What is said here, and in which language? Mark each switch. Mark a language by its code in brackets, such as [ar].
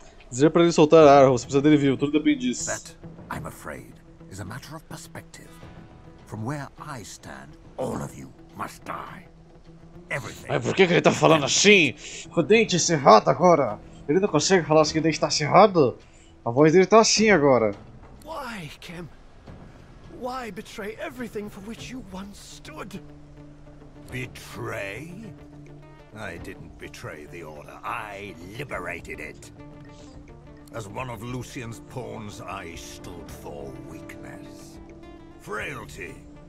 [pt] Dizer para ele soltar a arma, você precisa dele vivo, tudo depende disso. [en] That, I'm afraid, is a matter of perspective. From where I stand, all of you must die. Everything. [pt] Mas por que ele tá falando assim? O dente cerrado agora! Ele não consegue falar assim, o dente tá cerrado? A voz dele tá assim agora. [en] Why, Kem? Why betray everything for which you once stood? Betray? I didn't betray the order, I liberated it. As one of Lucian's pawns, I stood for weakness, frailty.